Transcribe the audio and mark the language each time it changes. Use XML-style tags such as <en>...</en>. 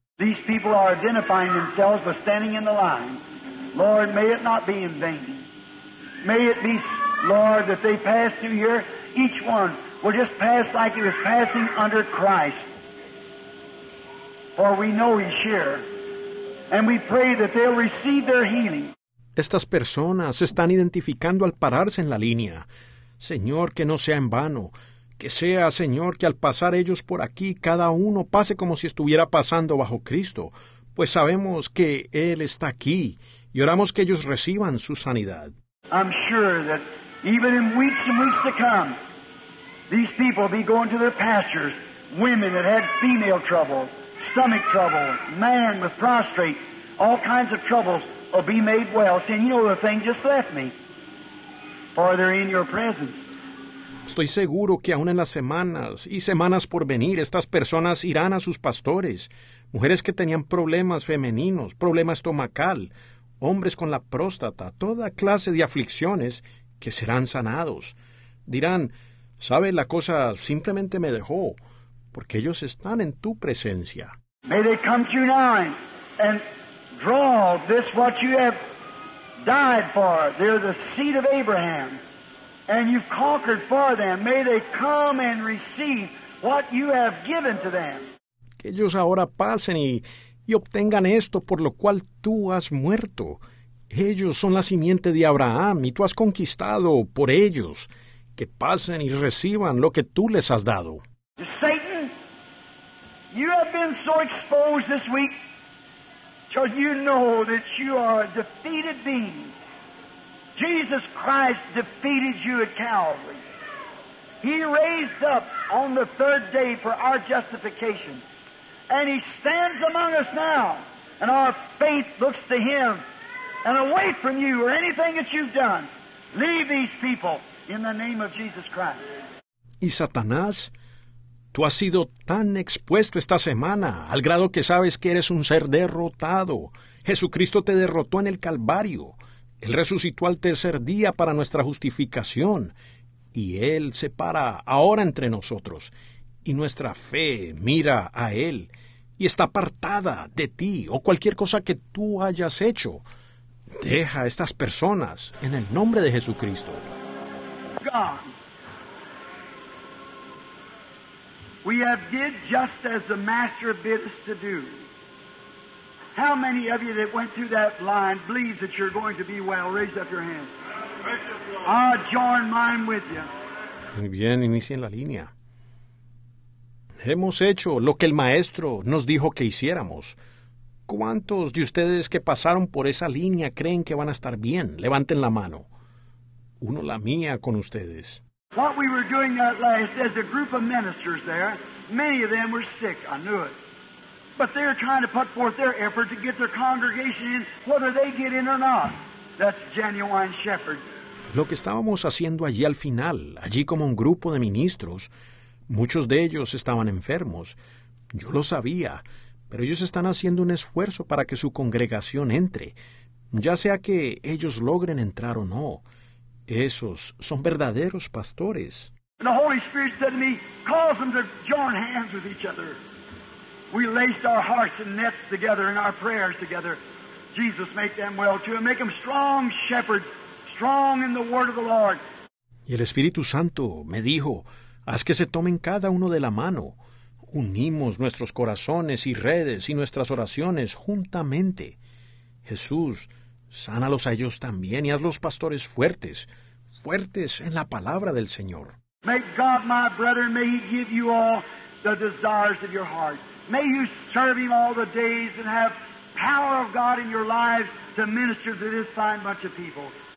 <en>These people are identifying themselves by standing in the line. Lord, may it not be in vain. May it be, Lord, that they pass through here, each one will just pass like he was passing under Christ. For we know he's here. And we pray that they'll receive their healing.</en> <es>Estas personas se están identificando al pararse en la línea. Señor, que no sea en vano. Que sea, Señor, que al pasar ellos por aquí, cada uno pase como si estuviera pasando bajo Cristo. Pues sabemos que Él está aquí. Y oramos que ellos reciban su sanidad.</es> <en>I'm sure that even in weeks and weeks to come, these people will be going to their pastors, women that had female trouble, stomach trouble, man with prostate, all kinds of troubles will be made well. Saying, you know, the thing just left me. For they're in your presence.</en> <es>Estoy seguro que aún en las semanas y semanas por venir, estas personas irán a sus pastores, mujeres que tenían problemas femeninos, problema estomacal, hombres con la próstata, toda clase de aflicciones que serán sanados. Dirán, sabe, la cosa simplemente me dejó, porque ellos están en tu presencia.</es> <en>May they come to you now and draw this what you have died for. They're the seed of Abraham, and you've conquered for them. May they come and receive what you have given to them.</en> <es>Que ellos ahora pasen y obtengan esto por lo cual tú has muerto. Ellos son la simiente de Abraham y tú has conquistado por ellos. Que pasen y reciban lo que tú les has dado.</es> <en>Satan, you have been so exposed this week, so you know that you are a defeated being. Jesus Christ defeated you at Calvary. He raised up on the third day for our justification. And He stands among us now. And our faith looks to Him. And away from you or anything that you've done, leave these people in the name of Jesus Christ.</en> <es>Y Satanás, tú has sido tan expuesto esta semana, al grado que sabes que eres un ser derrotado. Jesucristo te derrotó en el Calvario. Él resucitó al tercer día para nuestra justificación. Y Él se para ahora entre nosotros. Y nuestra fe mira a Él. Y está apartada de ti o cualquier cosa que tú hayas hecho. Deja a estas personas en el nombre de Jesucristo.</es> <en>God. We have did just as the Master bid us to do. How many of you that went through that line believe that you're going to be well? Raise up your hand. I'll join mine with you.</en> <es>Muy bien, inicien la línea. Hemos hecho lo que el Maestro nos dijo que hiciéramos. ¿Cuántos de ustedes que pasaron por esa línea creen que van a estar bien? Levanten la mano. Uno la mía con ustedes.</es> <en>What we were doing at last, there's a group of ministers there. Many of them were sick, I knew it. But they're trying to put forth their effort to get their congregation in, whether they get in or not. That's genuine shepherd.</en> <es>Lo que estábamos haciendo allí al final, allí como un grupo de ministros, muchos de ellos estaban enfermos. Yo lo sabía, pero ellos están haciendo un esfuerzo para que su congregación entre, ya sea que ellos logren entrar o no. Esos son verdaderos pastores.</es> <en>And the Holy Spirit said to me, cause them to join hands with each other. We laced our hearts and nets together and our prayers together. Jesus, make them well too. And make them strong shepherds, strong in the word of the Lord.</en> <es>Y el Espíritu Santo me dijo, haz que se tomen cada uno de la mano. Unimos nuestros corazones y redes y nuestras oraciones juntamente. Jesús, sánalos a ellos también y hazlos pastores fuertes, fuertes en la palabra del Señor.</es> <en>May God, my brother, may He give you all the desires of your heart. May you serve Him all the days and have power of God in your lives to minister to this fine bunch of people.</en>